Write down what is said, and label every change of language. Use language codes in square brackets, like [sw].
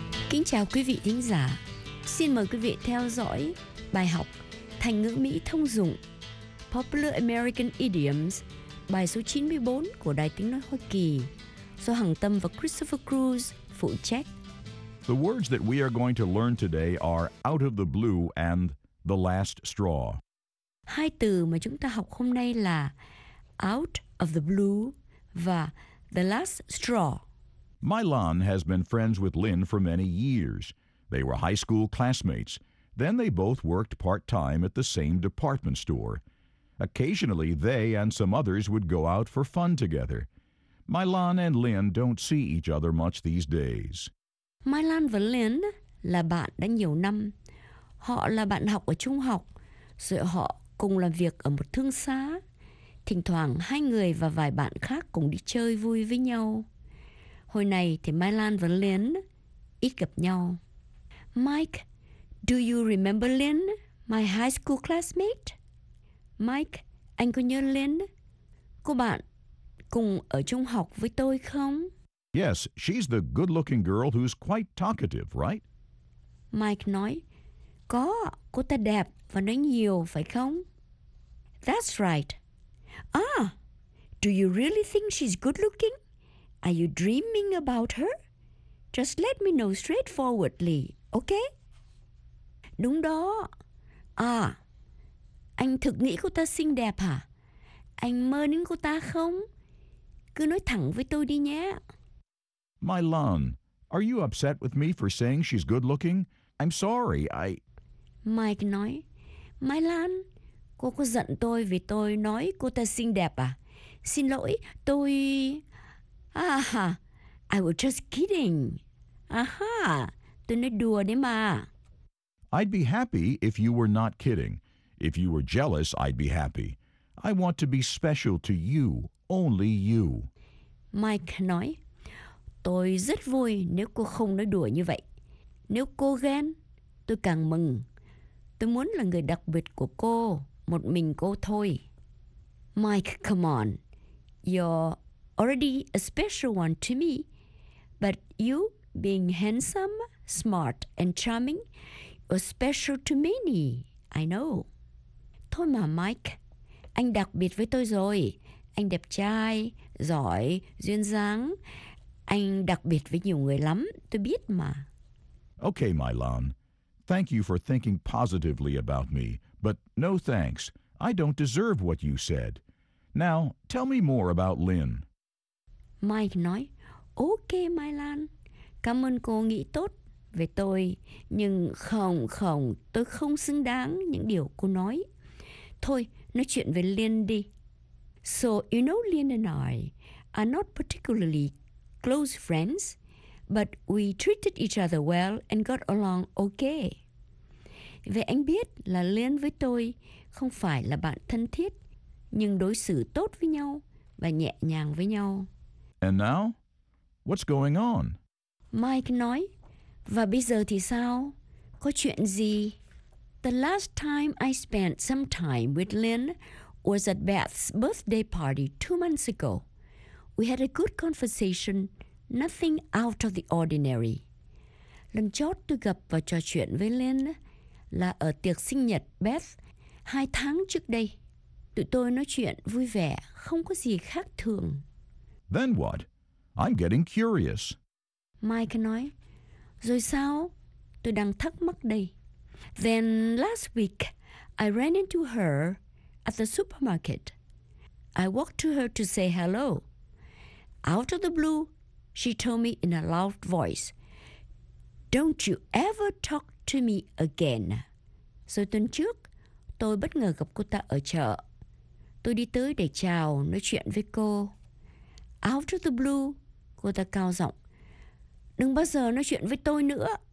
[vi] Kính chào quý vị thính giả. Xin mời quý vị theo dõi bài học Thành ngữ Mỹ thông dụng [en] Popular American Idioms, [vi] bài số 94 của Đài Tiếng Nói Hoa Kỳ, do Hằng Tâm và Christopher Cruz phụ trách. [en] The words that we are going to learn today are out of the blue and the last straw. [vi] Hai từ mà chúng ta học hôm nay là [en] out of the blue [vi] và [en] the last straw. Mylon has been friends with Lynn for many years. They were high school classmates. Then they both worked part-time at the same department store. Occasionally, they and some others would go out for fun together. Mylon and Lynn don't see each other much these days. [vi] Mylon và Lynn là bạn đã nhiều năm. Họ là bạn học ở trung học, rồi họ cùng làm việc ở một thương xá. Thỉnh thoảng, hai người và vài bạn khác cùng đi chơi vui với nhau. Hồi này thì Mylon và Lynn ít gặp nhau. [en] Mike, do you remember Lynn, my high school classmate? [vi] Mike, anh có nhớ Lynn, cô bạn cùng ở trung học với tôi không? [en] Yes, she's the good-looking girl who's quite talkative, right? [vi] Mike nói, có, cô ta đẹp và nói nhiều, phải không? [en] That's right. Ah, do you really think she's good-looking? Are you dreaming about her? Just let me know straightforwardly, okay? [vi] Đúng đó. À, anh thực nghĩ cô ta xinh đẹp hả? Anh mơ đến cô ta không? Cứ nói thẳng với tôi đi nhé. [en] Mylon, are you upset with me for saying she's good looking? I'm sorry, I... [vi] Mike nói, Mylon, cô có giận tôi vì tôi nói cô ta xinh đẹp à? Xin lỗi, tôi... [en] Aha, I was just kidding. [vi] Aha, tôi nói đùa đấy mà. [en] I'd be happy if you were not kidding. If you were jealous, I'd be happy. I want to be special to you, only you. [vi] Mike nói, tôi rất vui nếu cô không nói đùa như vậy. Nếu cô ghen, tôi càng mừng. Tôi muốn là người đặc biệt của cô, một mình cô thôi. [en] Mike, come on. You're already a special one to me. But you being handsome, smart, and charming, you're special to many, I know. [vi] Thôi mà Mike, anh đặc biệt với tôi rồi. Anh đẹp trai, giỏi, duyên dáng. Anh đặc biệt với nhiều người lắm, tôi biết mà. [en] Okay, Mylon. Thank you for thinking positively about me. But no thanks. I don't deserve what you said. Now, tell me more about Lynn. [vi] Mike nói, okay, Mylon. Cảm ơn cô nghĩ tốt về tôi. Nhưng không, không, tôi không xứng đáng những điều cô nói. Thôi, nói chuyện về Lynn đi. [en] So, you know Lynn and I are not particularly close friends, but we treated each other well and got along okay. [vi] Vậy anh biết là Lynn với tôi không phải là bạn thân thiết, nhưng đối xử tốt với nhau và nhẹ nhàng với nhau. [en] And now, what's going on? [vi] Mike nói, và bây giờ thì sao? Có chuyện gì? [en] The last time I spent some time with Lynn was at Beth's birthday party 2 months ago. We had a good conversation, nothing out of the ordinary. [vi] Lần chót tôi gặp và trò chuyện với Lynn là ở tiệc sinh nhật Beth 2 tháng trước đây. Tụi tôi nói chuyện vui vẻ, không có gì khác thường. [en] Then what? I'm getting curious. [vi] Mike nói, rồi sao? Tôi đang thắc mắc đây. [en] Then last week, I ran into her at the supermarket. I walked to her to say hello. Out of the blue, she told me in a loud voice, "Don't you ever talk to me again." [vi] Rồi tuần trước, tôi bất ngờ gặp cô ta ở chợ. Tôi đi tới để chào, nói chuyện với cô. [en] Out of the blue, [vi] cô ta cao giọng, "Đừng bao giờ nói chuyện với tôi nữa."